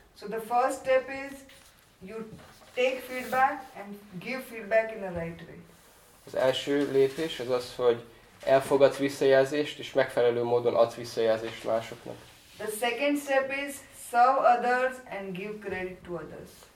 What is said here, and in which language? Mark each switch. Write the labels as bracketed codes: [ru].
[en] So the first step is you take feedback and give feedback in the right way. [hu] Az első lépés az az, hogy elfogadsz visszajelzést és megfelelő módon adsz visszajelzést másoknak. [en] The second step is serve others and give credit to others.